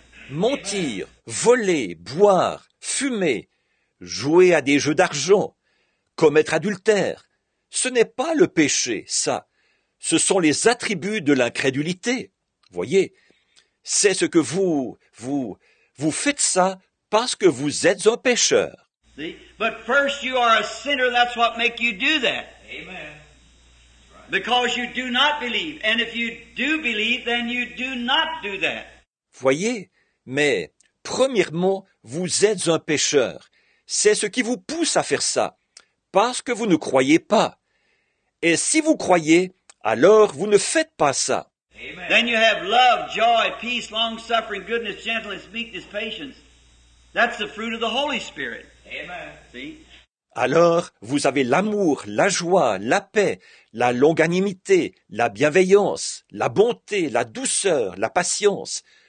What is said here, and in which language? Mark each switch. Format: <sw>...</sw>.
<fr>Mentir, voler, boire, fumer, jouer à des jeux d'argent, commettre adultère, ce n'est pas le péché, ça. Ce sont les attributs de l'incrédulité. Voyez, c'est ce que vous faites ça parce que vous êtes un pécheur.</fr> <en>See? But first you are a sinner, that's what makes you do that. Amen. Because you do not believe, and if you do believe, then you do not do that.</en> <fr>Voyez, mais premièrement, vous êtes un pécheur. C'est ce qui vous pousse à faire ça, parce que vous ne croyez pas. Et si vous croyez, alors vous ne faites pas ça. Amen.</fr> <en>Then you have love, joy, peace, long-suffering, goodness, gentleness, meekness, patience. That's the fruit of the Holy Spirit. Amen. See?</en> <fr>Alors, vous avez l'amour, la joie, la paix, la longanimité, la bienveillance, la bonté, la douceur, la patience.</fr>